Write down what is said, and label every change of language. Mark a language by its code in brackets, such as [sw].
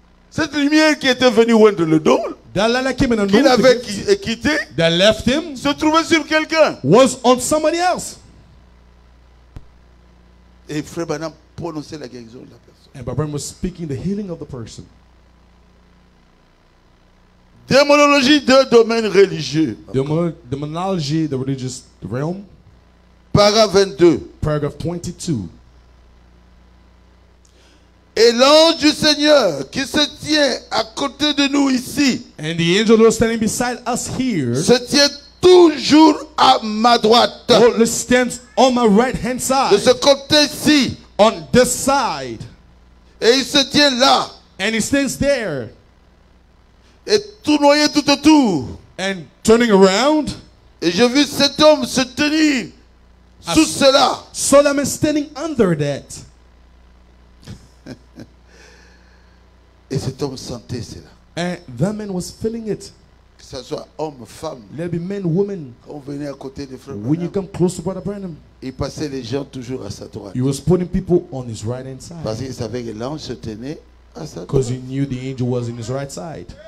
[fr] Cette lumière qui était venue oindre le don. [en] That light that came in and [fr] quitté. [en] That left him. [fr] Se trouvait sur quelqu'un. [en] Was on somebody else. [fr] Et Frère Branham prononçait la guérison de la personne. [en] And Frère Branham was speaking the healing of the person. [fr] Démonologie de domaine religieux. [en] Demonology, the religious realm. [fr] Paragraphe 22. [en] Paragraph 22. [fr] Et l'ange du Seigneur qui se tient à côté de nous ici. [en] And the angel who is standing beside us here. [fr] Se tient toujours à ma droite. [en] Oh, he stands on my right hand side. [fr] De ce côté-ci. [en] On this side. [fr] Et il se tient là. [en] And he stands there. [fr] Et tournoyé tout autour. [en] And turning around. [fr] Et j'ai vu cet homme se tenir sous cela. [en] So that man standing under that. [fr] Et cet homme sentait cela. [en] And that man was feeling it. [fr] Que ce soit homme, femme. [en] There'll be men, women. [fr] Quand vous venez à côté de frère Branham, [en] when you come close to Brother Branham. [fr] Il passait les gens toujours à sa droite. [en] He was putting people on his right hand side. [fr] Parce qu'il savait que l'ange se tenait à sa droite. [en] Because he knew the angel was in his right side.